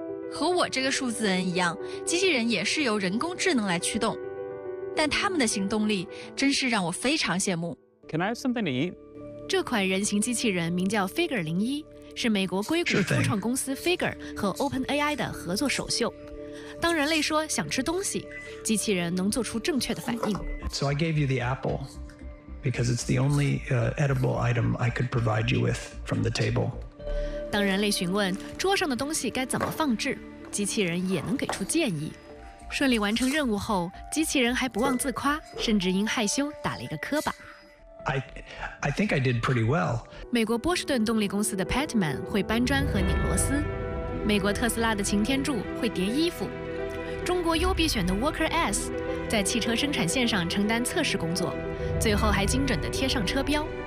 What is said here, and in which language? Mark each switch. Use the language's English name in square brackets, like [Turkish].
[Chinese] 和我这个数字人一样，机器人也是由人工智能来驱动，但他们的行动力真是让我非常羡慕。 [English] Can I have something to eat？ [Chinese] 这款人形机器人名叫 Figure 01，是美国硅谷初创公司 Figure 和 OpenAI 的合作首秀。当人类说想吃东西，机器人能做出正确的反应。 [English] So I gave you the apple because it's the only edible item I could provide you with from the table. [Chinese] 当人类询问桌上的东西该怎么放置，机器人也能给出建议。顺利完成任务后，机器人还不忘自夸，甚至因害羞打了一个磕巴。 [English] I think I did pretty well. [Chinese] 美国波士顿动力公司的 Patman 会搬砖和拧螺丝，美国特斯拉的擎天柱会叠衣服，中国优必选的 Worker S 在汽车生产线上承担测试工作，最后还精准地贴上车标。